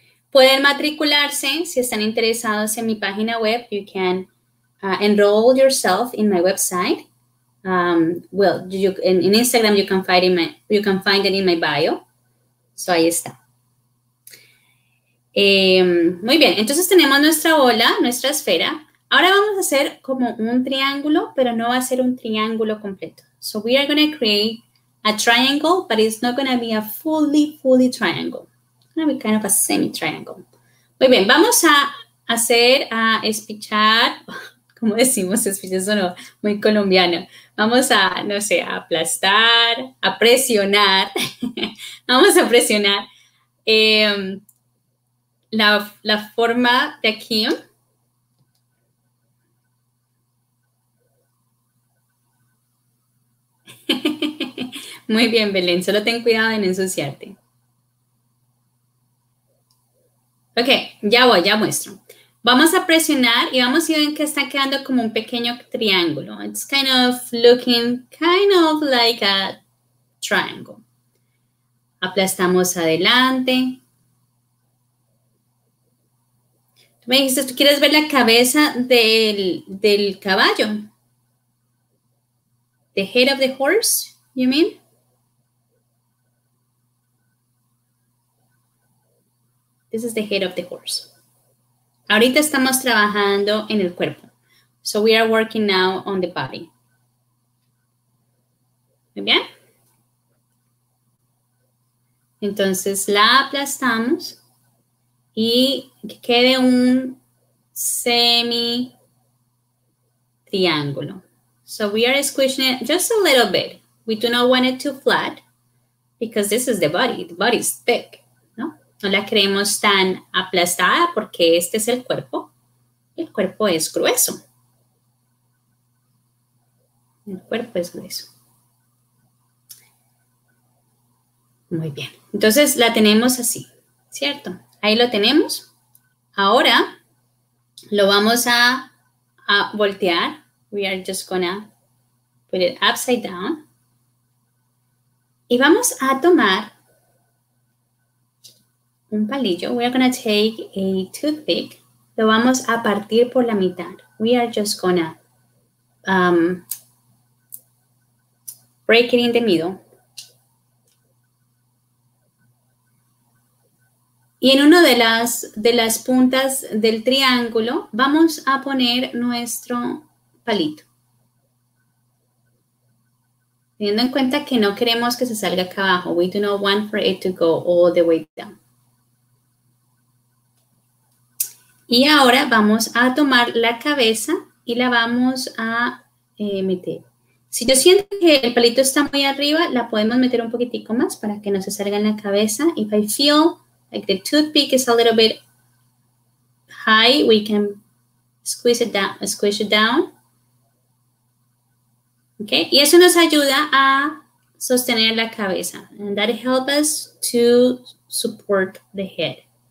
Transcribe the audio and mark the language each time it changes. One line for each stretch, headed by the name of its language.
Spanish: Pueden matricularse si están interesados en mi página web.
English: You can enroll yourself in my website. In Instagram you can find it in my bio.
Spanish: So ahí está. Muy bien, entonces tenemos nuestra bola, nuestra esfera. Ahora vamos a hacer como un triángulo, pero no va a ser un triángulo completo.
English: So we are going to create a triangle, but it's not going to be a fully triangle. It's going to be kind of a semi-triangle.
Spanish: Muy bien, vamos a hacer, a espichar, ¿cómo decimos espichar? Eso no, muy colombiano. Vamos a, no sé, a aplastar, a presionar. Vamos a presionar. La forma de aquí. Muy bien, Belén. Solo ten cuidado en ensuciarte. Ok, ya voy, ya muestro. Vamos a presionar y vamos a ver que está quedando como un pequeño triángulo.
English: It's kind of looking kind of like a triangle.
Spanish: Aplastamos adelante. Tú me dijiste, ¿tú quieres ver la cabeza del caballo?
English: The head of the horse, you mean? This is the head of the horse.
Spanish: Ahorita estamos trabajando en el cuerpo.
English: So we are working now on the body.
Spanish: ¿Muy bien? Entonces la aplastamos. Y que quede un semi-triángulo.
English: So we are squishing it just a little bit. We do not want it too flat because this is the body. The body is thick, ¿no?
Spanish: No la queremos tan aplastada porque este es el cuerpo. El cuerpo es grueso. El cuerpo es grueso. Muy bien. Entonces la tenemos así, ¿cierto? Ahí lo tenemos. Ahora lo vamos a voltear.
English: We are just gonna put it upside down.
Spanish: Y vamos a tomar un palillo.
English: We are gonna take a toothpick.
Spanish: Lo vamos a partir por la mitad.
English: We are just gonna break it in the middle.
Spanish: Y en una de las puntas del triángulo, vamos a poner nuestro palito. Teniendo en cuenta que no queremos que se salga acá abajo.
English: We do not want for it to go all the way down.
Spanish: Y ahora vamos a tomar la cabeza y la vamos a meter. Si yo siento que el palito está muy arriba, la podemos meter un poquitico más para que no se salga en la cabeza.
English: If I feel like the toothpick is a little bit high, we can squeeze it down, squish it down.
Spanish: Okay, y eso nos ayuda a sostener la cabeza.
English: And that helps us to support the head.